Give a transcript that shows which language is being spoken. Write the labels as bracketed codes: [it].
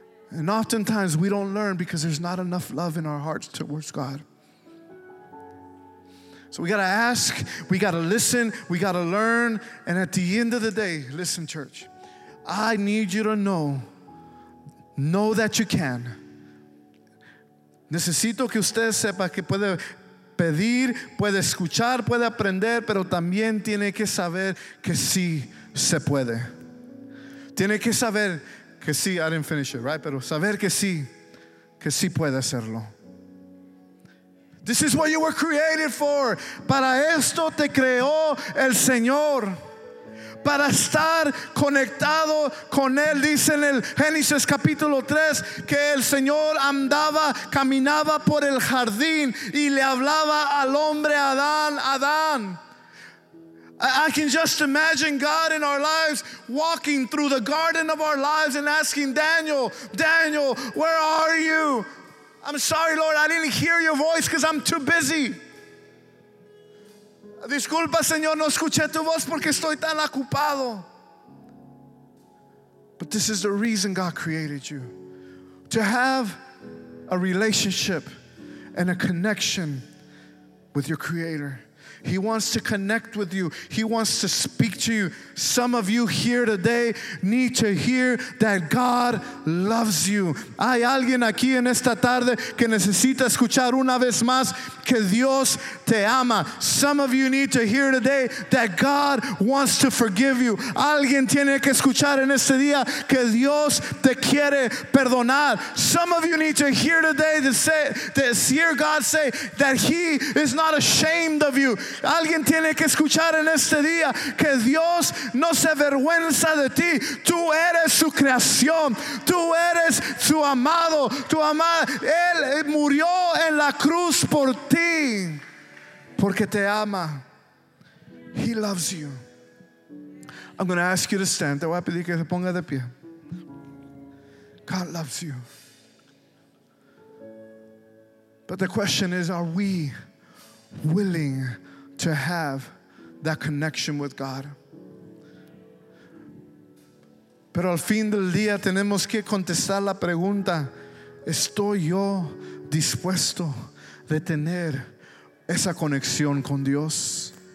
[en] And oftentimes we don't learn because there's not enough love in our hearts towards God. So we got to ask, we got to listen, we got to learn. And at the end of the day, listen, church, I need you to know that you can. [es] Necesito que usted sepa que puede pedir, puede escuchar, puede aprender, pero también tiene que saber que sí se puede. Tiene que saber que sí, [en] I didn't finish it, right? [es] Pero saber que sí puede hacerlo. [en] This is what you were created for. [es] Para esto te creó el Señor. Para estar conectado con Él. Dice en el Génesis capítulo 3 que el Señor caminaba por el jardín y le hablaba al hombre Adán. [en] I can just imagine God in our lives walking through the garden of our lives and asking Daniel, where are you? I'm sorry, Lord, I didn't hear your voice because I'm too busy. [es] Disculpa, Señor, no escuché tu voz porque estoy tan ocupado. [en] But this is the reason God created you. To have a relationship and a connection with your Creator. He wants to connect with you. He wants to speak to you. Some of you here today need to hear that God loves you. [es] Hay alguien aquí en esta tarde que necesita escuchar una vez más que Dios te ama. [en] Some of you need to hear today that God wants to forgive you. [es] Alguien tiene que escuchar en este día que Dios te quiere perdonar. [en] Some of you need to hear today to hear God say that He is not ashamed of you. [es] Alguien tiene que escuchar en este día que Dios no se avergüenza de ti. Tú eres su creación. Tú eres su amado. Tu amada. Él murió en la cruz por ti. Porque te ama. [en] He loves you. I'm going to ask you to stand. [es] Te voy a pedir que te ponga de pie. [en] God loves you. But the question is, are we willing to have that connection with God? [es] Pero al fin del día tenemos que contestar la pregunta, ¿estoy yo dispuesto de tener esa conexión con Dios?